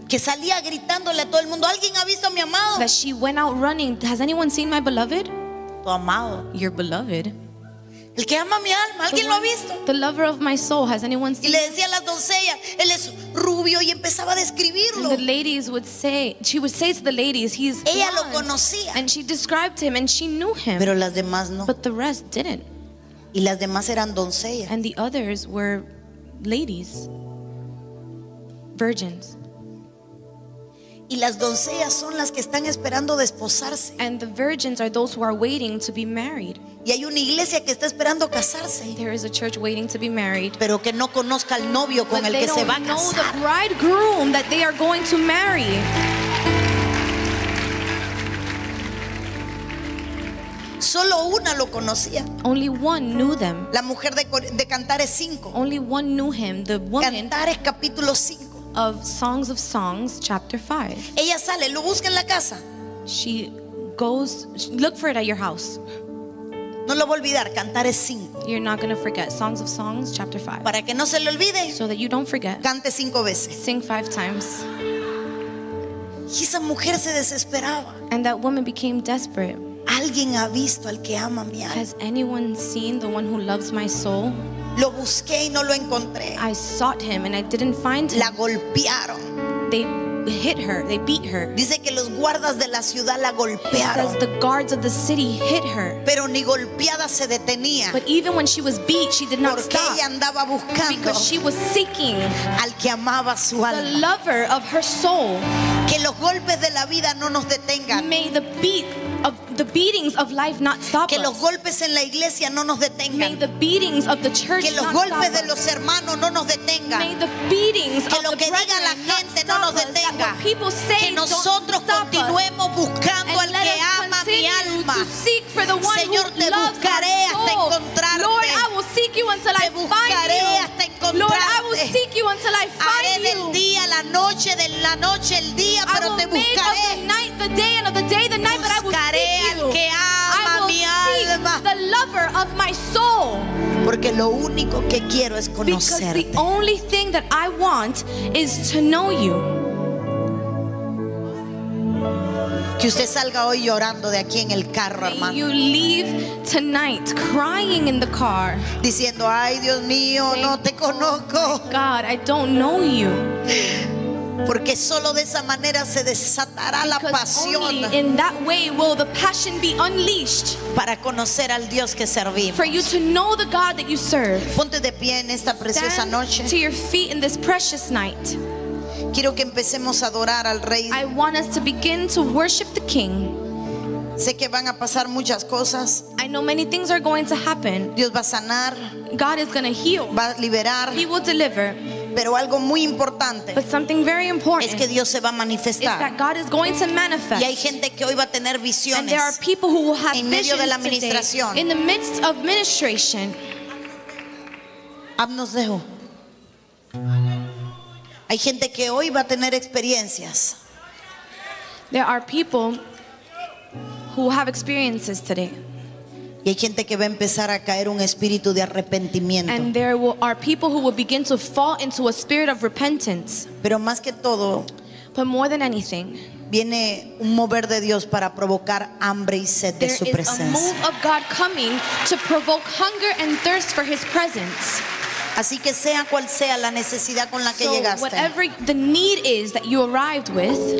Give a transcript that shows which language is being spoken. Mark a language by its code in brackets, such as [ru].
[es] Que salía gritándole a todo el mundo, ¿alguien ha visto a mi amado? [en] That she went out running, has anyone seen my beloved? [es] Tu amado. [en] Your beloved. [es] El que ama mi alma, ¿alguien lo ha visto? [en] The lover of my soul, has anyone seen? [es] Y le decía a las doncellas, él es rubio y empezaba a describirlo. [en] And the ladies would say, she would say to the ladies, he's blonde. [es] Ella lo conocía. [en] And she described him and she knew him. [es] Pero las demás no. [en] But the rest didn't. [es] Y las demás eran doncellas. [en] And the others were ladies. Virgins. [es] Y las doncellas son las que están esperando desposarse. [en] And the virgins are those who are waiting to be married. [es] Y hay una iglesia que está esperando casarse. [en] There is a church waiting to be married. [es] Pero que no conozca al novio con el que se va a casar. [en] But they don't know the bridegroom that they are going to marry. [es] Solo una lo conocía. [en] Only one knew them. [es] La mujer de Cantares 5. [en] Only one knew him, the woman. [es] Cantares capítulo 5. [en] Of Songs of Songs, chapter 5. [es] Ella sale, lo busca en la casa. [en] She goes, look for it at your house. [es] No lo voy a olvidar, Cantares 5. [en] You're not going to forget Songs of Songs chapter 5. [es] Para que no se le olvide. [en] So that you don't forget. [es] Cante 5 veces. [en] Sing 5 times. [es] Y esa mujer se desesperaba. [en] And that woman became desperate. [es] ¿Alguien ha visto al que ama mi alma? [en] Has anyone seen the one who loves my soul? [es] Lo busqué y no lo encontré. [en] I sought him and I didn't find him. [es] La golpearon. [en] They hit her. They beat her. [es] Dice que los guardas de la ciudad la golpearon. [en] It says the guards of the city hit her. [es] Pero ni golpeada se detenía. [en] But even when she was beat, she did not stop. [es] Ella andaba buscando. [en] Because she was seeking [es] al que amaba su alma. [en] The lover of her soul. [es] Que los golpes de la vida no nos detengan. [en] May the beat of the beatings of life not stop us. [es] Que los golpes en la iglesia no nos detengan. [en] May the beatings of the church not stop us. [es] Que los golpes de los hermanos no nos detengan. [en] May the beatings of the brethren not stop us. [es] Que lo que diga la gente no nos detenga. [en] That what people say don't stop us. [es] Que nosotros continuemos buscando al que ama mi alma. [en] And let us continue to seek for the one who loves my soul. [es] Señor, te buscaré hasta encontrarte. [en] Lord, I will seek you until I find you. [es] Te buscaré hasta encontrarte. [en] Lord, I will seek you until I find you. [es] Haré del día la noche, de la noche el día, pero te buscaré. [en] I will make of the night the day and of the day the night, but I will seek you. [es] Que ama [en] I will [es] mi alma. [en] Seek the lover of my soul. [es] Porque lo único que quiero es conocerte. [en] Because the only thing that I want is to know you. [es] Que usted salga hoy llorando de aquí en el carro, hermano. [en] You leave tonight crying in the car. [es] Diciendo, ay, Dios mío, [en] saying, [es] no te conozco. [en] Oh God, I don't know you. [es] Porque solo de esa manera se desatará la pasión. [en] Because only in that way will the passion be unleashed. [es] Para conocer al Dios que servimos. [en] For you to know the God that you serve. [es] Ponte de pie en esta preciosa noche. [en] Stand to your feet in this precious night. [es] Quiero que empecemos a adorar al Rey. [en] I want us to begin to worship the King. [es] Sé que van a pasar muchas cosas. [en] I know many things are going to happen. [es] Dios va a sanar. [en] God is going to heal. [es] Va a liberar. [en] He will deliver. [es] Pero algo muy importante, [en] but something very important, [es] es que Dios se va a manifestar. [en] Is that God is going to manifest. [es] Y hay gente que hoy va a tener visiones. [en] And there are people who will have [es] en medio de la administración. [en] In the midst of ministration. Abnos dejo. [es] Hay gente que hoy va a tener experiencias. [en] There are people who have experiences today. [es] Y hay gente que va a empezar a caer un espíritu de arrepentimiento. [en] And there will, are people who will begin to fall into a spirit of repentance. [es] Pero más que todo, [en] but more than anything, [es] viene un mover de Dios para provocar hambre y sed de su presencia. [en] There is a move of God coming to provoke hunger and thirst for His presence. [es] Así que sea cual sea la necesidad con la que [en] so [es] llegaste, [en] whatever the need is that you arrived with,